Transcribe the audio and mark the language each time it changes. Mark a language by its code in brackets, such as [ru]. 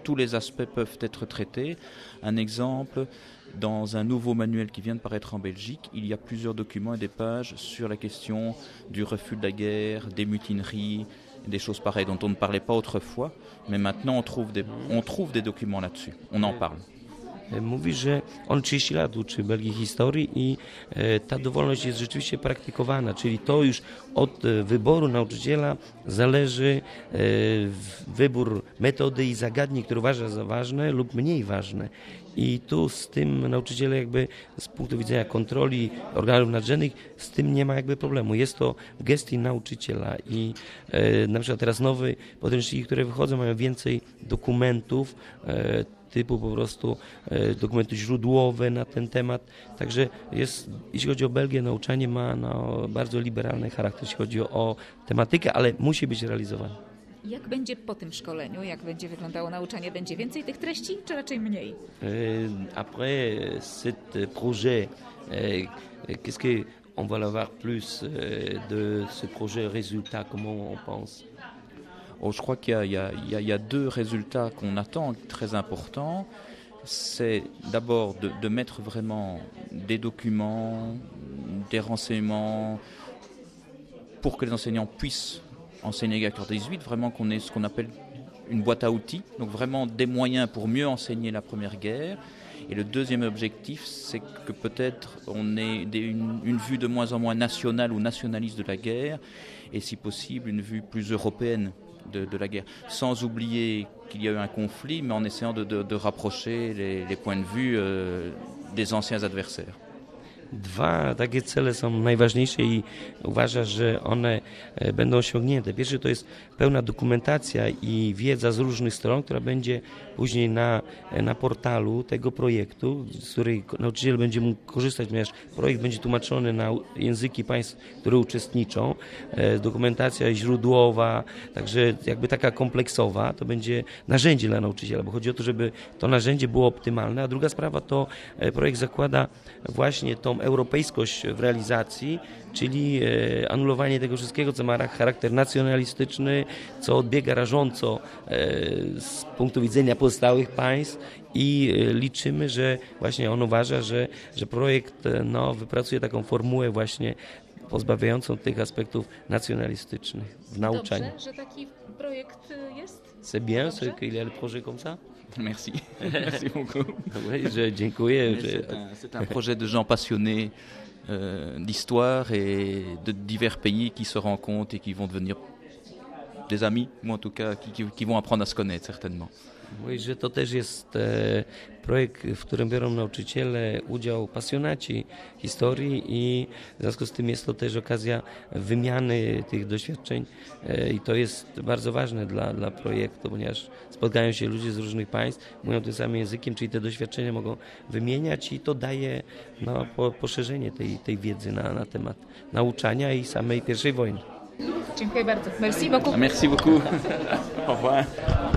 [fr] Tous les aspects peuvent être traités. Un exemple, dans un nouveau manuel qui vient de paraître en Belgique, il y a plusieurs documents et des pages sur la question du refus de la guerre, des mutineries, des choses pareilles dont on ne parlait pas autrefois, mais maintenant on trouve des documents là-dessus, on en parle. [pl] Mówi, że on 30 lat uczy Belgii historii i ta dowolność jest rzeczywiście praktykowana, czyli to już od wyboru nauczyciela zależy wybór metody i zagadnień, które uważa za ważne lub mniej ważne. I tu z tym nauczyciele jakby z punktu widzenia kontroli organów nadrzędnych z tym nie ma jakby problemu. Jest to w gestii nauczyciela i na przykład teraz nowe podręczniki, które wychodzą, mają więcej dokumentów, typu po prostu dokumenty źródłowe na ten temat. Także jest, jeśli chodzi o Belgię, nauczanie ma bardzo liberalny charakter, jeśli chodzi o tematykę, ale musi być realizowane. Jak będzie po tym szkoleniu, jak będzie wyglądało nauczanie? Będzie więcej tych treści, czy raczej mniej? [fr] Après cet projet, qu'est-ce qu'on va avoir plus de ce projet résultat, comment on pense? Oh, je crois qu'il y a deux résultats qu'on attend très importants. C'est d'abord de mettre vraiment des documents, des renseignements pour que les enseignants puissent enseigner GACUR 18, vraiment qu'on ait ce qu'on appelle une boîte à outils, donc vraiment des moyens pour mieux enseigner la Première Guerre. Et le deuxième objectif, c'est que peut-être on ait une vue de moins en moins nationale ou nationaliste de la guerre, et si possible une vue plus européenne de la guerre, sans oublier qu'il y a eu un conflit, mais en essayant de rapprocher les points de vue des anciens adversaires. [pl] Dwa takie cele są najważniejsze i uważa, że one będą osiągnięte. Pierwszy to jest pełna dokumentacja i wiedza z różnych stron, która będzie później na portalu tego projektu, z której nauczyciel będzie mógł korzystać, ponieważ projekt będzie tłumaczony na języki państw, które uczestniczą. Dokumentacja źródłowa, także jakby taka kompleksowa, to będzie narzędzie dla nauczyciela, bo chodzi o to, żeby to narzędzie było optymalne. A druga sprawa to projekt zakłada właśnie to, europejskość w realizacji, czyli anulowanie tego wszystkiego, co ma charakter nacjonalistyczny, co odbiega rażąco z punktu widzenia pozostałych państw i liczymy, że właśnie on uważa, że projekt wypracuje taką formułę właśnie pozbawiającą tych aspektów nacjonalistycznych w nauczaniu. Dobrze, że taki projekt jest? [fr] C'est bien, c'est qu'il y a le projet comme ça? Merci. Merci beaucoup. Oui, je [pl] dziękuję. [fr] C'est un projet de gens passionnés d'histoire et de divers pays qui se rencontrent et qui vont devenir des amis, ou en tout cas qui vont apprendre à se connaître certainement. Oui, [pl] je to też jest projekt, w którym biorą nauczyciele udział pasjonaci historii i w związku z tym jest to też okazja wymiany tych doświadczeń i to jest bardzo ważne dla projektu, ponieważ spotkają się ludzie z różnych państw, mówią tym samym językiem, czyli te doświadczenia mogą wymieniać i to daje poszerzenie tej wiedzy na temat nauczania i samej pierwszej wojny. Dziękuję bardzo. [fr] Merci beaucoup. Merci beaucoup. Au revoir.